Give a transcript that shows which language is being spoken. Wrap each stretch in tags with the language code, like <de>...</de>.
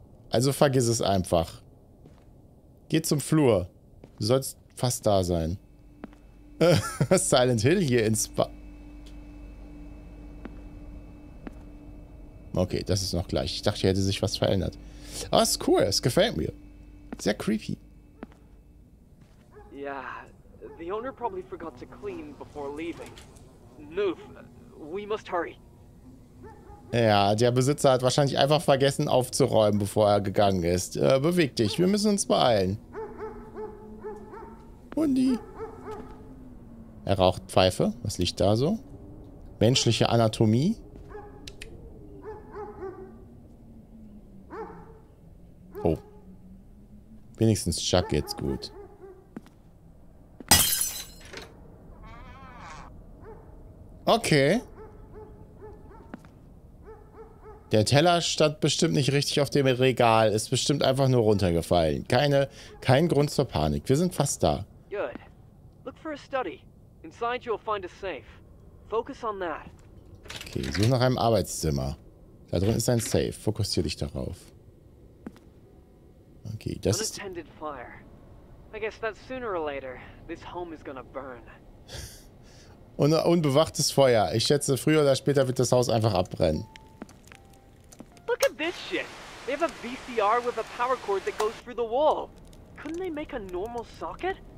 <de>Also vergiss es einfach. Geh zum Flur. Du sollst fast da sein. Silent Hill hier ins Spa. Okay, das ist noch gleich. Ich dachte, hier hätte sich was verändert. Ah, ist cool. Es gefällt mir. Sehr creepy.</de> <en>Ja, yeah, the owner probably forgot to clean before leaving. Move. We must hurry.</en> <de>Ja, der Besitzer hat wahrscheinlich einfach vergessen aufzuräumen, bevor er gegangen ist. Beweg dich, wir müssen uns beeilen. Hundi. Er raucht Pfeife. Was liegt da so? Menschliche Anatomie. Oh. Wenigstens Chuck geht's gut. Okay. Der Teller stand bestimmt nicht richtig auf dem Regal. Ist bestimmt einfach nur runtergefallen. Kein Grund zur Panik. Wir sind fast da.</de> <en>Good. Look for a study. Inside you'll find a safe. Focus on that.</en> <de>Okay, such nach einem Arbeitszimmer. Da drin ist ein Safe. Fokussiere dich darauf. Okay, das ist...</de> <en>Unattended fire. I guess that sooner or later, this home is gonna burn.</en> <de>Unbewachtes Feuer. Ich schätze, früher oder später wird das Haus einfach abbrennen.</de> <en>Look at this shit. They have a VCR with a power cord that goes through the wall. Couldn't they make a normal socket?</en>